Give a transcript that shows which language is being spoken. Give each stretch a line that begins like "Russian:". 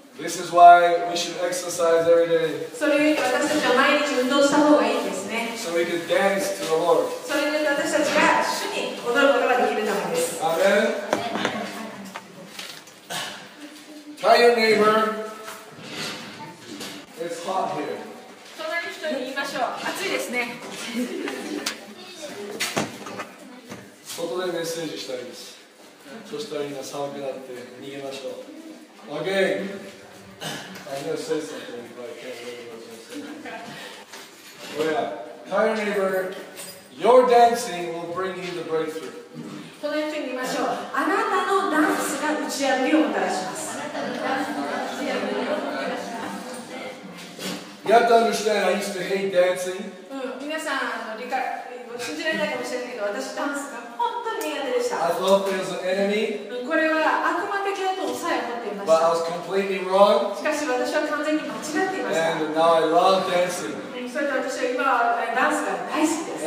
English: This is why we should exercise every day.
Japanese: それで私たちは毎日運動した方がいいですね。
English: So we can dance to the Lord.
Japanese: それで私たちが主に踊ることができるためです。
English: Amen. Tell your neighbor, it's hot here.
Japanese: 隣の人に言いましょう。暑いですね。外でメッセージしたいです。そしたらみんな寒くなって逃げましょう。
English: OK! I'm going to say something, but I can't remember what I'm going to say. Oh yeah, tell your neighbor, your dancing will bring you the breakthrough.
Japanese: 隣の人に言いましょう。あなたのダンスが打ち破りをもたらします。
English: You have to understand, I used to hate dancing.
Japanese: 皆さん、理解。信じられないかもしれないけど、私ダンスが本当に苦手でした。
English: I thought there was an enemy.
Japanese: これは悪魔的だとさえ思っていました。
English: But I was completely wrong.
Japanese: しかし私は完全に間違っていました。
English: And now I love dancing.
Japanese: それと私は今ダンスが大好きです。